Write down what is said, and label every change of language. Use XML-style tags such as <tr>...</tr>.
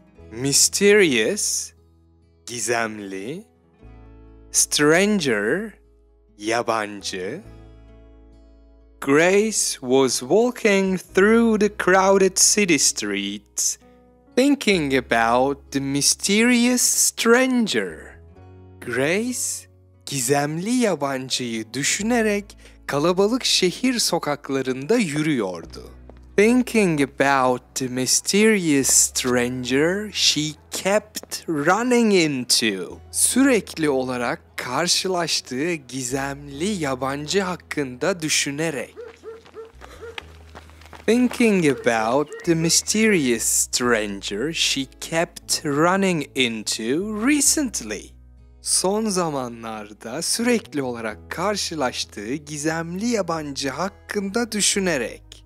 <en>Mysterious, gizemli. Stranger, yabancı. Grace was walking through the crowded city streets, thinking about the mysterious stranger.</en> <tr>Grace, gizemli yabancıyı düşünerek kalabalık şehir sokaklarında yürüyordu.</tr> <en>Thinking about the mysterious stranger she kept running into.</en> <tr>Sürekli olarak karşılaştığı gizemli yabancı hakkında düşünerek.</tr> <en>Thinking about the mysterious stranger she kept running into recently.</en> <tr>Son zamanlarda sürekli olarak karşılaştığı gizemli yabancı hakkında düşünerek.</tr>